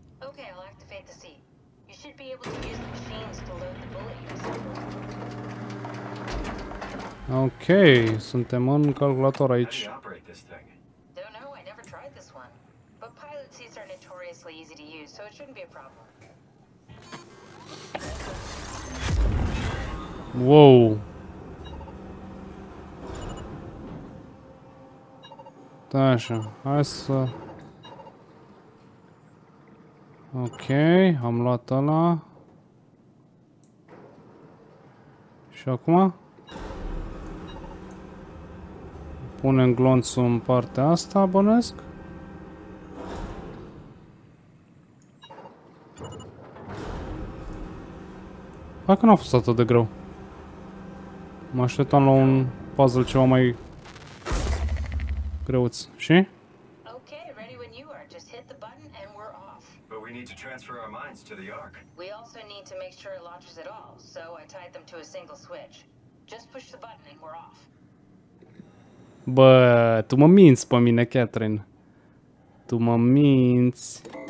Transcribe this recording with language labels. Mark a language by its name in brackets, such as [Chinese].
[English] Okay, I'll activate the seat. You should be able to use the machines to load the bullet. [Romanian] Ok, suntem în calculator aici. [English] How do you operate this thing? Don't know, I never tried this one. But pilot seats are notoriously easy to use, so it shouldn't be a problem. Wow. [Romanian] Da, așa, hai să... Ok, am luat ăla. Și acum? Punem glonțul în partea asta, bănesc. Hai că n-a fost atât de greu. Mă așteptam la un puzzle ceva mai... greuț. Și? [English] Okay, ready when you are. Just hit the button and we're off. But we need to transfer our minds to the arc. We also need to make sure it launches at all, so I tied them to a single switch. Just push the button and we're off. [Romanian] Bă, tu mă minți pe mine, Catherine. Tu mă minți.